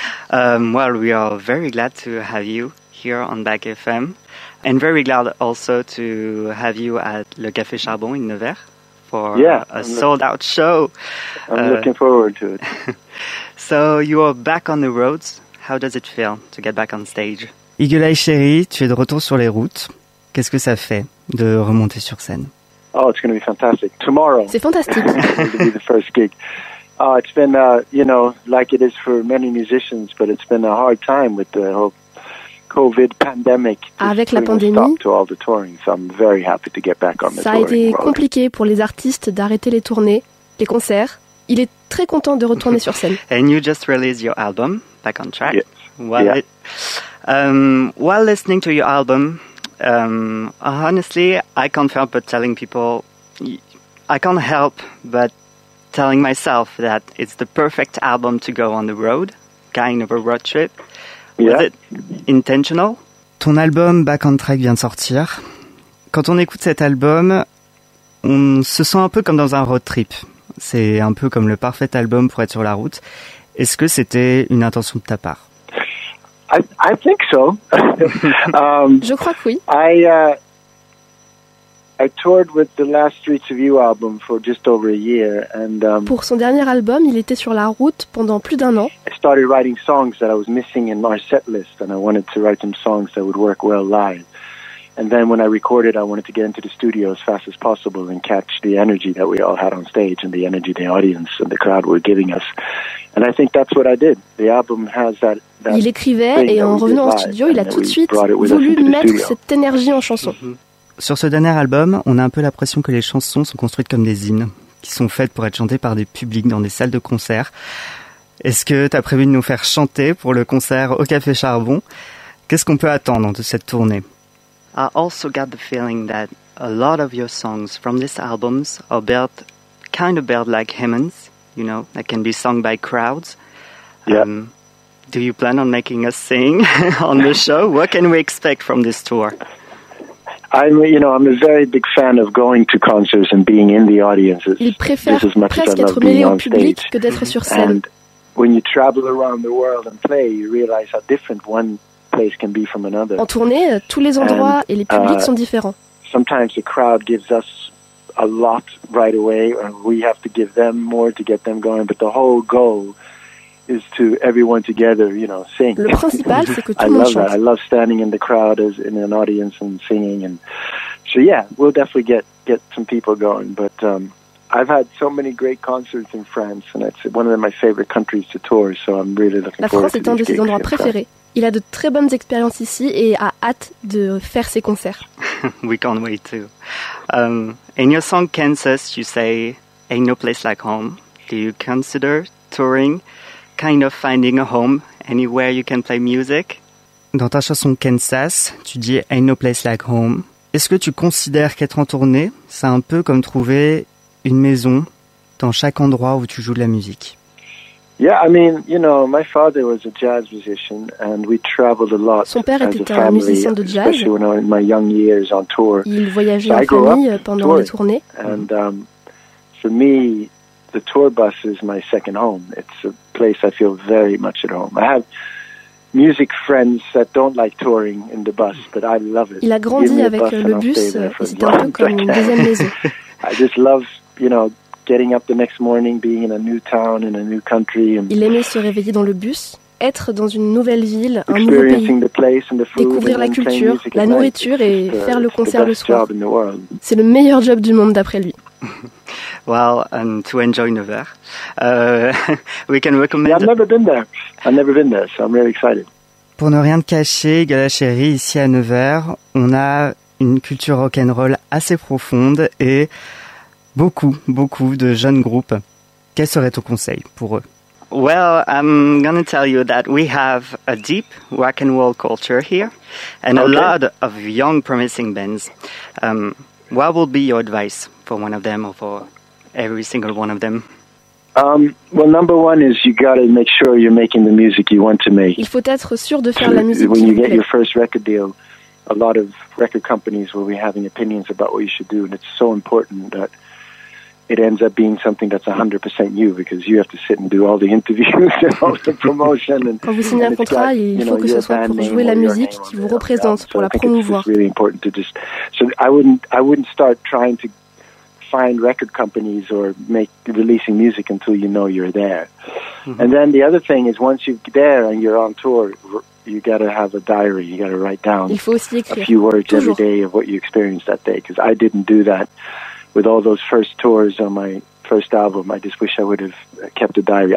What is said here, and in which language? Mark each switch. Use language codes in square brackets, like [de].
[en] Well, we are very glad to have you here on Back FM, and very glad also to have you at Le Café Charbon in Nevers for sold-out show. I'm looking forward to it. So you are back on the roads. How does it feel to get back on stage? [fr] Igalaï Chéri, tu es de retour sur les routes. Qu'est-ce que ça fait de remonter sur scène? [en] Oh, it's going to be fantastic. Tomorrow. [fr] C'est fantastique. [en] It'll be the first gig. It's been, you know, like it is for many musicians, but it's been a hard time with the whole COVID pandemic. [fr] Avec la pandémie, [en] to all the touring, so I'm very happy to get back on the touring. [fr] Ça a été compliqué pour les artistes d'arrêter les tournées, les concerts. Il est très content de retourner sur scène. [en] And you just released your album, Back on Track. Yes. While, while listening to your album, honestly, I can't help but telling people, I can't help but telling myself that it's the perfect album to go on the road, kind of a road trip. Yeah. Was it intentional? [fr] Ton album Back on Track vient de sortir. Quand on écoute cet album, on se sent un peu comme dans un road trip. C'est un peu comme le parfait album pour être sur la route. Est-ce que c'était une intention de ta part? [en] I think so. [fr] Je crois que oui. [en] I toured with the Last Streets of You album for just over a year, and [fr] pour son dernier album, il était sur la route pendant plus d'un an. [en] I started writing songs that I was missing in my set list, and I wanted to write some songs that would work well live. And then when I recorded, I wanted to get into the studio as fast as possible and catch the energy that we all had on stage and the energy the audience and the crowd were giving us. And I think that's what I did. The album has that. [fr] Il écrivait et en revenant en studio, il a tout de suite voulu mettre cette énergie en chanson. Mm-hmm. Sur ce dernier album, on a un peu l'impression que les chansons sont construites comme des hymnes, qui sont faites pour être chantées par des publics dans des salles de concert. Est-ce que tu as prévu de nous faire chanter pour le concert au Café Charbon? Qu'est-ce qu'on peut attendre de cette tournée? [en] I also got the feeling that a lot of your songs from this album are built, kind of built like hymns, you know, that can be sung by crowds. Yeah. Do you plan on making us sing on the show? What can we expect from this tour? I'm a very big fan of going to concerts and being in the audiences. [fr] Il préfère presque être mêlé au public que d'être sur scène. [en] And when you travel around the world and play, you realize how different one place can be from another. [fr] En tournée, tous les endroits et les publics sont différents. [en] Sometimes the crowd gives us a lot right away, and we have to give them more to get them going. But the whole goal is to everyone together, you know, sing. [fr] Le principal, c'est que tout le monde chante. [en] I love standing in the crowd as in an audience and singing, and so yeah, we'll definitely get some people going. But I've had so many great concerts in France, and it's one of my favorite countries to tour. So I'm really looking forward to this. [fr] La France est un de ses endroits préférés. Il a de très bonnes expériences ici et a hâte de faire ses concerts. [en] We can't wait too. In your song Kansas, you say "Ain't no place like home." Do you consider touring? Kind of finding a home anywhere you can play music. [fr] Dans ta chanson Kansas, tu dis [en] Ain't no place like home. [fr] Est-ce que tu considères qu'être en tournée, c'est un peu comme trouver une maison dans chaque endroit où tu joues de la musique? [en] Yeah, I mean, you know, my father was a jazz musician and we traveled a lot. [fr] Son père était un musicien de jazz. [en] Especially when I was in my young years on tour. [fr] Il voyageait en famille pendant les tournées. [en] And for me, the tour bus is my second home. It's a place I feel very much at home. I have music friends that don't like touring in the bus, but I love it. [fr] Il a grandi avec le bus, c'est un peu comme une deuxième maison. [en] I just love, you know, getting up the next morning, being in a new town, in a new country. [fr] Il aimait se réveiller dans le bus, être dans une nouvelle ville, un nouveau pays, [en] the place and the food, [fr] découvrir [en] and [fr] la culture, la nourriture et faire le concert le soir. [en] Job in the world. [fr] C'est le meilleur job du monde d'après lui. [en] Well, and to enjoy Nevers, we can recommend... Yeah, I've never been there, so I'm really excited. [fr] Pour ne rien te cacher, Gala Chéri, ici à Nevers, on a une culture rock'n'roll assez profonde et... beaucoup, beaucoup de jeunes groupes. Quel serait ton conseil pour eux? [en] Well, I'm going to tell you that we have a deep rock and roll culture here and okay. A lot of young promising bands. What would be your advice for one of them or for every single one of them? Well, number one is you got to make sure you're making the music you want to make. [fr] Il faut être sûr de faire la musique. [en] When you get your first record deal, a lot of record companies will be having opinions about what you should do, and it's so important that it ends up being something that's 100% you, because you have to sit and do all the interviews and all the promotion. And [fr] quand vous signez un contrat, il faut que ce soit pour jouer la musique qui vous représente, pour la promouvoir. [en] It's really important to just. So I wouldn't start trying to find record companies or make releasing music until you know you're there. Mm-hmm. And then the other thing is, once you're there and you're on tour, you got to have a diary. You got to write down [fr] il faut aussi écrire, [en] a few words [fr] toujours. [en] Every day of what you experienced that day, because I didn't do that. With all those first tours on my first album, I just wish I would have kept a diary.